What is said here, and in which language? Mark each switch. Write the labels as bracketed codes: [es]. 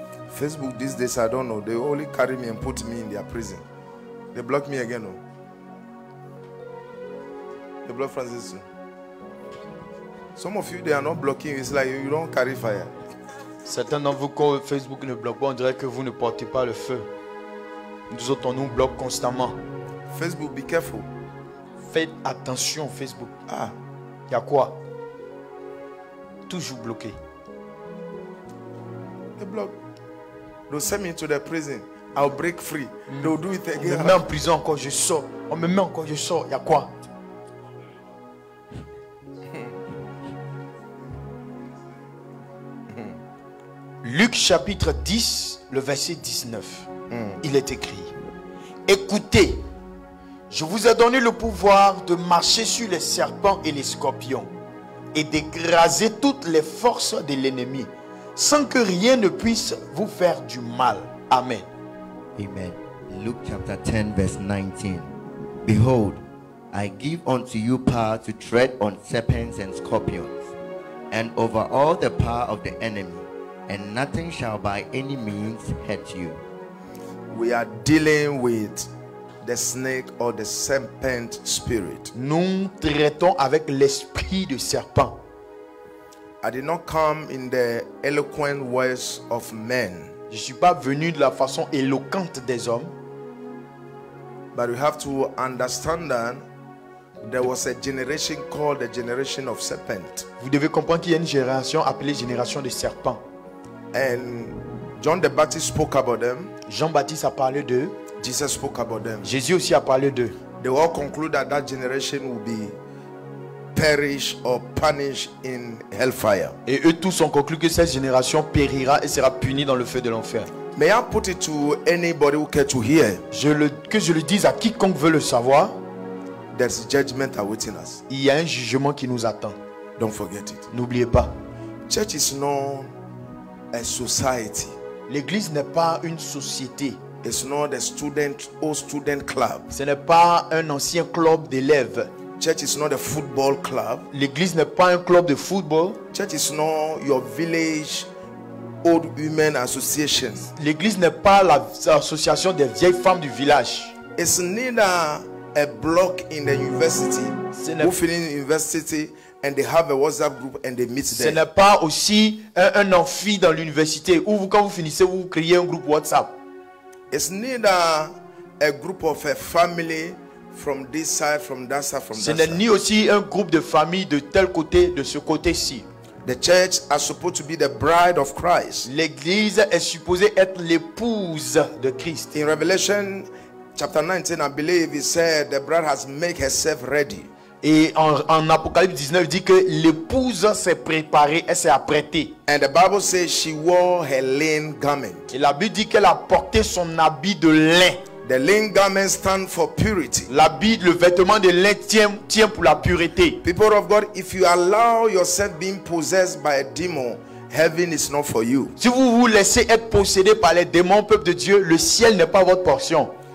[en] Facebook these days I don't know, they only carry me and put me in their prison. They block me again. Oh. They block Francis too. Some of you they are not blocking, it's like you don't carry fire. [fr] Certains d'entre vous quand Facebook ne bloque pas, on dirait que vous ne portez pas le feu. Nous autres, on nous bloque constamment. [en] Facebook, be careful. [fr] Faites attention, Facebook. Ah. Y a quoi? Toujours bloqué. [en] They block. They'll send me to the prison. I'll break free. They'll do it again. [fr] On me met en prison encore, je sors. On me met encore, je sors. Y a quoi? Luc chapitre 10, le verset 19. Il est écrit. Écoutez, je vous ai donné le pouvoir de marcher sur les serpents et les scorpions et d'écraser toutes les forces de l'ennemi sans que rien ne puisse vous faire du mal. Amen. [en] Amen. Luke chapter 10 verse 19. Behold, I give unto you power to tread on serpents and scorpions and over all the power of the enemy, and nothing shall by any means hurt you. We are dealing with the snake or the serpent spirit. [fr] Nous traitons avec l'esprit de serpent. [en] I did not come in the eloquent words of men. [fr] Je suis pas venu de la façon éloquente des hommes. [en] But we have to understand that there was a generation called the generation of serpent. [fr] Vous devez comprendre qu'il y a une génération appelée génération de serpent. [en] And John the Baptist spoke about them. [fr] Jean-Baptiste a parlé d'eux. [en] Jesus spoke about them. [fr] Jésus aussi a parlé d'eux. [en] They all conclude that that generation will be perish or punished in hellfire. [fr] Et eux tous ont conclu que cette génération périra et sera punie dans le feu de l'enfer. [en] May I put it to anybody who cares to hear? [fr] Je le dise à quiconque veut le savoir. [en] There's judgment awaiting us. [fr] Il y a un jugement qui nous attend. [en] Don't forget it. [fr] N'oubliez pas. [en] Church is not a society. [fr] L'église n'est pas une société. [en] It's not a student or student club. [fr] Ce n'est pas un ancien club d'élèves. [en] Church is not a football club. [fr] L'église n'est pas un club de football. [en] Church is not your village old women association. [fr] L'église n'est pas l'association des vieilles femmes du village. [en] It's neither a block in the university. Who finish university and they have a WhatsApp group and they meet there. [fr] Ce n'est pas aussi un amphi dans l'université où vous, quand vous finissez, vous créez un groupe WhatsApp. [en] It's neither a group of a family from this side, from that side, from [fr] ce n'est ni aussi un groupe de famille de tel côté, de ce côté-ci. [en] The church is supposed to be the bride of Christ. [fr] L'église est supposée être l'épouse de Christ. [en] In Revelation chapter 19, I believe it said the bride has made herself ready. [fr] Et en Apocalypse 19, il dit que l'épouse s'est préparée, elle s'est apprêtée. [en] And the Bible says she wore her linen garment. [fr] Et la Bible dit qu'elle a porté son habit de lin. [en] The linen garment stands for purity. [fr] L'habit, le vêtement de lin tient pour la pureté. [en] People of God, if you allow yourself being possessed by a demon, heaven is not for you. [fr] Si vous vous laissez être possédé par les démons, peuple de Dieu, le ciel n'est pas votre portion.